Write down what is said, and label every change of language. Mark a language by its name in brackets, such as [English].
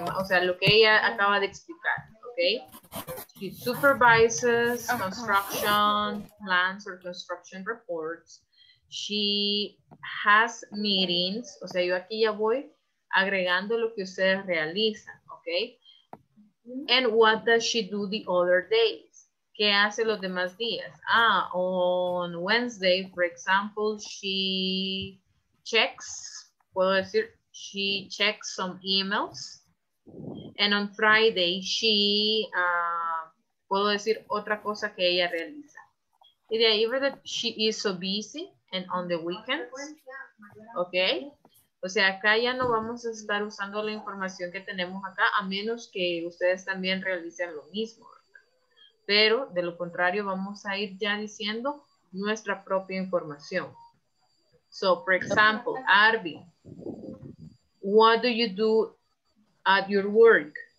[Spanish] O sea, lo que ella acaba de explicar. [English] Okay. She supervises construction plans or construction reports. She has meetings. [Spanish] O sea, yo aquí ya voy agregando lo que ustedes realizan. [English] Okay. And what does she do the other days? [Spanish] ¿Qué hace los demás días? [English] Ah, on Wednesday, for example, she checks, [Spanish] puedo decir, [English] she checks some emails. And on Friday, she, [Spanish] puedo decir otra cosa que ella realiza. Y de ahí, ¿verdad? [English] She is so busy and on the weekends. Okay. [Spanish] O sea, acá ya no vamos a estar usando la información que tenemos acá, a menos que ustedes también realicen lo mismo, ¿verdad? Pero de lo contrario, vamos a ir ya diciendo nuestra propia información. [English] So, for example, Arby, what do you do at your work?